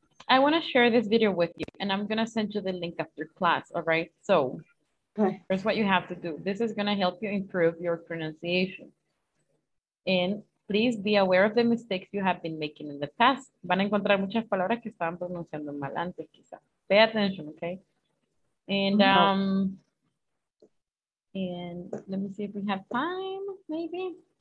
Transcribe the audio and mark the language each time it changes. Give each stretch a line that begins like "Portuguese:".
English: I want to share this video with you, and I'm going to send you the link after class. All right. So. Okay. Here's what you have to do. This is going to help you improve your pronunciation. And please be aware of the mistakes you have been making in the past.
Spanish: Van a encontrar muchas palabras que estaban pronunciando mal antes, quizá.
English: Pay attention, okay? And and let me see if we have time, maybe.